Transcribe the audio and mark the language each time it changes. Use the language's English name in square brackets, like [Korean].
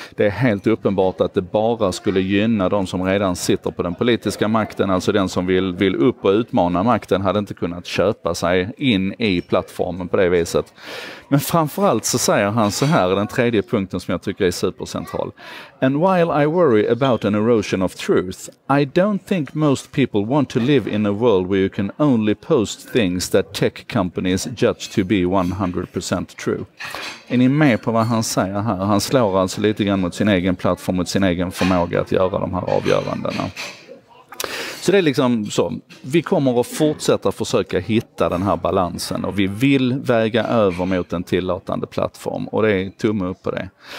[Swedish] Det är helt uppenbart att det bara skulle gynna de som redan sitter på den politiska makten, alltså den som vill upp och utmana makten hade inte kunnat köpa sig in i plattformen på det viset. Men framförallt så säger han så här, den tredje punkten som jag tycker är supercentral. [English] And while I worry about an erosion of truth, I don't think most people want to live in a world where you can only post things that tech companies judge to be 100% true. [Swedish] Är ni med på vad han säger här? Han slår alltså lite grann mot sin egen plattform, mot sin egen förmåga att göra de här avgörandena. Så det är liksom så, vi kommer att fortsätta försöka hitta den här balansen och vi vill väga över mot en tillåtande plattform och det är tumme upp på det.